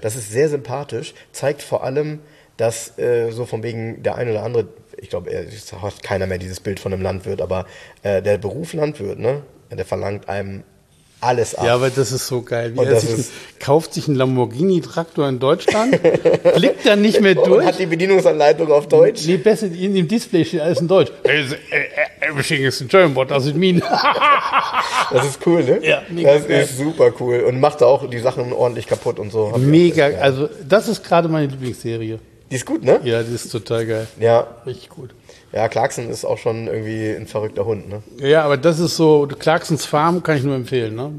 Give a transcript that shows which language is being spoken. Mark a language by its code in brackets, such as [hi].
[de] Das ist sehr sympathisch, zeigt vor allem, dass so von wegen der ein oder andere, ich glaube, es hat keiner mehr dieses Bild von einem Landwirt, aber der Beruf Landwirt, ne, der verlangt einem alles ab. Ja, aber das ist so geil. Wie er kauft sich einen Lamborghini-Traktor in Deutschland, blickt dann nicht mehr durch. Hat die Bedienungsanleitung auf Deutsch? Nee, besser, in dem Display steht alles in Deutsch. [en] Everything is in German, what does it mean? [de] Das ist cool, ne? Ja, mega. Das ist super cool und macht auch die Sachen ordentlich kaputt und so. Mega, also das ist gerade meine Lieblingsserie. Die ist gut, ne? Ja, die ist total geil. Ja. Richtig gut. Ja, Clarkson ist auch schon irgendwie ein verrückter Hund, ne? Ja, aber das ist so, Clarksons Farm kann ich nur empfehlen, ne?